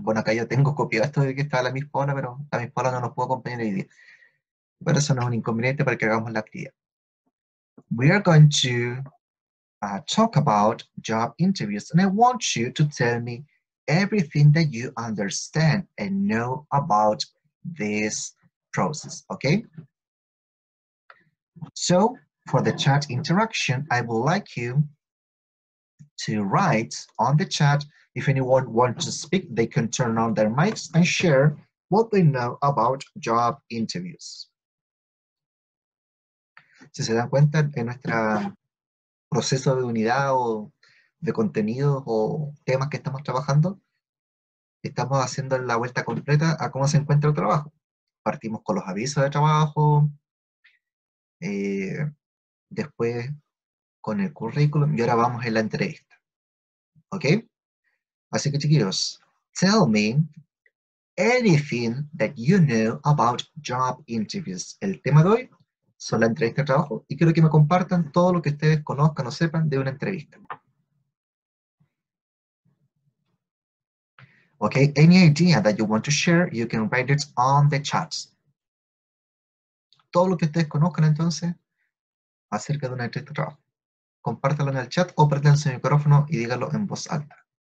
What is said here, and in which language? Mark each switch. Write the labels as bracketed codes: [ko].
[es] Bueno, acá yo tengo copiado esto de que está la mispola, pero la mispola no nos puede acompañar hoy día. Pero eso no es un inconveniente para que hagamos la actividad. [en] We are going to talk about job interviews, and I want you to tell me everything that you understand and know about this process, okay? So, for the chat interaction, I would like you to write on the chat. If anyone wants to speak, they can turn on their mics and share what they know about job interviews. [es] Si se dan cuenta, en nuestro proceso de unidad o de contenidos o temas que estamos trabajando, estamos haciendo la vuelta completa a cómo se encuentra el trabajo. Partimos con los avisos de trabajo, después con el currículum, y ahora vamos en la entrevista. ¿Ok? Así que chiquillos, [en] tell me anything that you know about job interviews. [es] El tema de hoy son la entrevista de trabajo y quiero que me compartan todo lo que ustedes conozcan o sepan de una entrevista. [en] Ok, any idea that you want to share, you can write it on the chat. [es] Todo lo que ustedes conozcan entonces acerca de una entrevista de trabajo. Compártelo en el chat o prendan su micrófono y díganlo en voz alta.